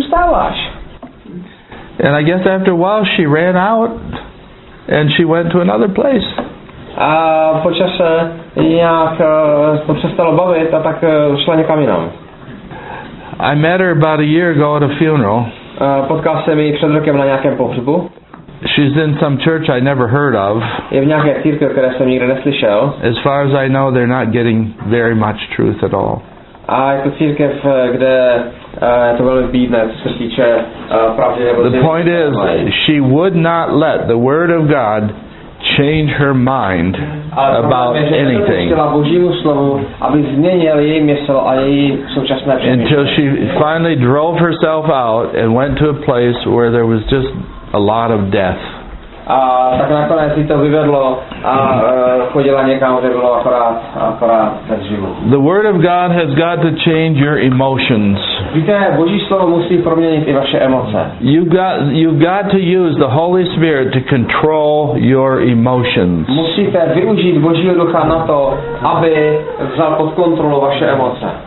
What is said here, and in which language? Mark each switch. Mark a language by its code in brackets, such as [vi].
[en] And I guess after a while she ran out and she went to another place. I met her about a year ago at a funeral. She's in some church I never heard of. [cs] Je v nějaké církvi, které jsem nikdy neslyšel. [en] As far as I know, they're not getting very much truth at all. [cs] A je to církev, kde je to velmi bídné, co se týče pravdy. [en] The point is, she would not let the word of God change her mind about anything. [cs] Ale problém je, že nepustila Božímu slovu, aby změnil její mysl a její současné přemýšlení. [en] Until she finally drove herself out and went to a place where there was just a lot of death. [cs] A tak nakonec si to vyvedlo a chodila někam, kde bylo akorát bez život. [en] The word of God has got to change your emotions. [cs] Víte, Boží slovo musí proměnit i vaše emoce. [en] You've got to use the Holy Spirit to control your emotions. [cs] Musíte využít Božího ducha na to, aby vzal pod kontrolu vaše emoce.